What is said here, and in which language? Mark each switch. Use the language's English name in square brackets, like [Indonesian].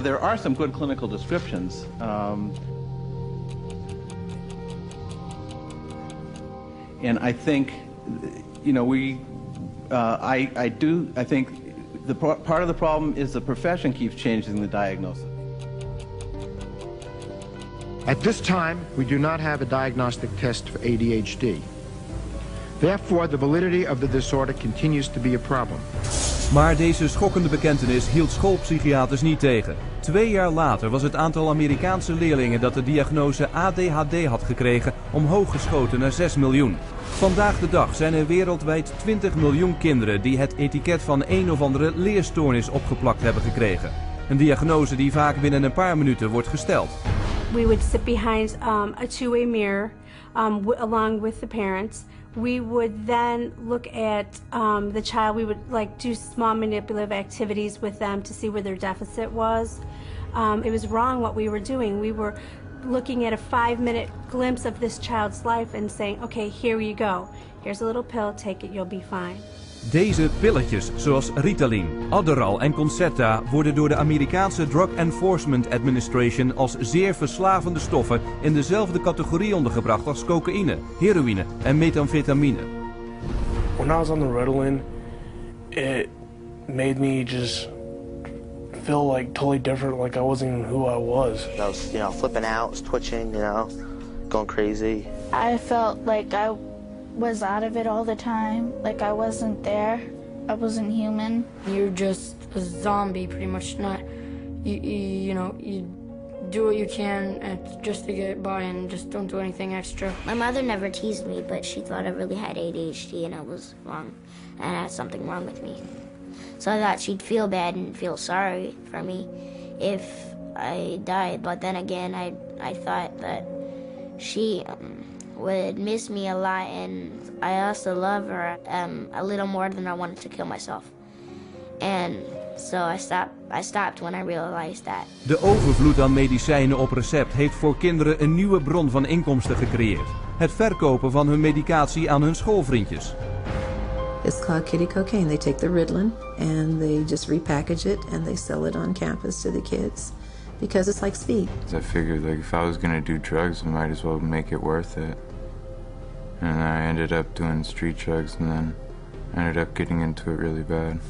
[English] There are some good clinical descriptions. And I think, you know, I think the part of the problem is the profession keeps changing the diagnosis. At this time, we do not have a diagnostic test for ADHD. Therefore, the validity of the disorder continues to be a problem. [Dutch] Maar deze schokkende bekentenis hield schoolpsychiaters niet tegen. 2 jaar later was het aantal Amerikaanse leerlingen dat de diagnose ADHD had gekregen omhoog geschoten naar 6 miljoen. Vandaag de dag zijn er wereldwijd 20 miljoen kinderen die het etiket van een of andere leerstoornis opgeplakt hebben gekregen. Een diagnose die vaak binnen een paar minuten wordt gesteld. [English] We would sit behind a two-way mirror along with the parents. We would then look at the child. We would like do small manipulative activities with them to see where their deficit was. It was wrong what we were doing. We were looking at a 5-minute glimpse of this child's life and saying, okay, here you go. Here's a little pill, take it, you'll be fine. [Dutch] Deze pilletjes, zoals Ritalin, Adderall en Concerta, worden door de Amerikaanse Drug Enforcement Administration als zeer verslavende stoffen in dezelfde categorie ondergebracht als cocaïne, heroïne en methamfetamine. [English] When I was on the Ritalin, it made me just feel like totally different, like I wasn't even who I was. I was, you know, flipping out, twitching, you know, going crazy. I felt like I was out of it all the time, like I wasn't there, I wasn't human. You're just a zombie, pretty much. Not, you know, you do what you can just to get by and just don't do anything extra. My mother never teased me, but she thought I really had ADHD and I was wrong, and I had something wrong with me. So I thought she'd feel bad and feel sorry for me if I died, but then again, I thought that she, would miss me a lot, and I also love her a little more than I wanted to kill myself. And so I stopped when I realized that. [Dutch] De overvloed aan medicijnen op recept heeft voor kinderen een nieuwe bron van inkomsten gecreëerd. Het verkopen van hun medicatie aan hun schoolvriendjes. [English] It's called kitty cocaine. They take the Ritalin and they just repackage it and they sell it on campus to the kids. Because it's like speed. I figured like if I was gonna do drugs, I might as well make it worth it. And I ended up doing street drugs and then ended up getting into it really bad.